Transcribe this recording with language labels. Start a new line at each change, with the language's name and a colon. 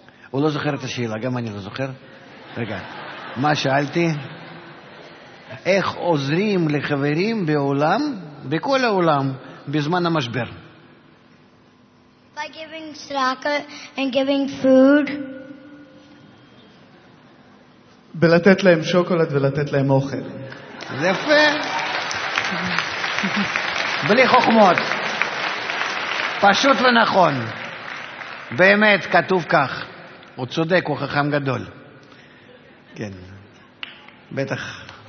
Hebrew: הוא לא זוכר את השאלה, גם אני לא זוכר. רגע, מה שאלתי? איך עוזרים לחברים בעולם, בכל העולם, בזמן המשבר?
English: By giving tzedakah and giving food.
Hebrew: בלתת להם שוקולד ולתת להם אוכל. זה יפה. בלי חוכמות. פשוט ונכון. באמת, כתוב כך. הוא צודק, הוא חכם גדול. כן. בטח.